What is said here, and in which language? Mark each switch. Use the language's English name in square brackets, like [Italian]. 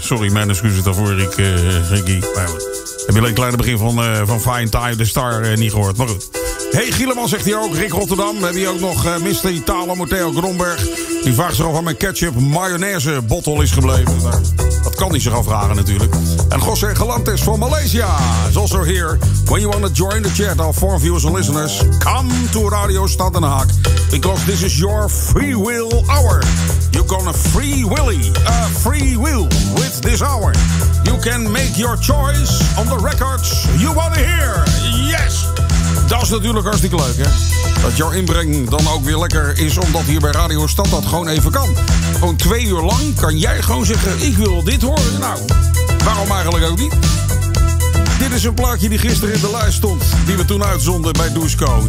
[Dutch] Sorry, mijn excuses daarvoor, Ricky. Heb je alleen het kleine begin van Fine Time, de Star, niet gehoord? Maar goed. Hey, Gieleman zegt hij ook. Rick Rotterdam. Heb je ook nog Mr. Italo, Matteo Gronberg. Die vraagt zich af waar mijn ketchup mayonaise bottle is gebleven. Nou, dat kan hij zich afvragen natuurlijk. [English] En José Galantes van Malaysia is also here. When you want to join the chat, our four viewers and listeners, come to Radio Stad Den Haag. Because this is your free will hour. You're gonna free willy, free will with this hour. You can make your choice on the records you want to hear. Yes! [Dutch] Dat is natuurlijk hartstikke leuk, hè? Dat jouw inbreng dan ook weer lekker is, omdat hier bij Radio Stad dat gewoon even kan. Gewoon 2 uur lang kan jij gewoon zeggen, ik wil dit horen. Nou, waarom eigenlijk ook niet? Dit is een plaatje die gisteren in de lijst stond, die we toen uitzonden bij Dusko.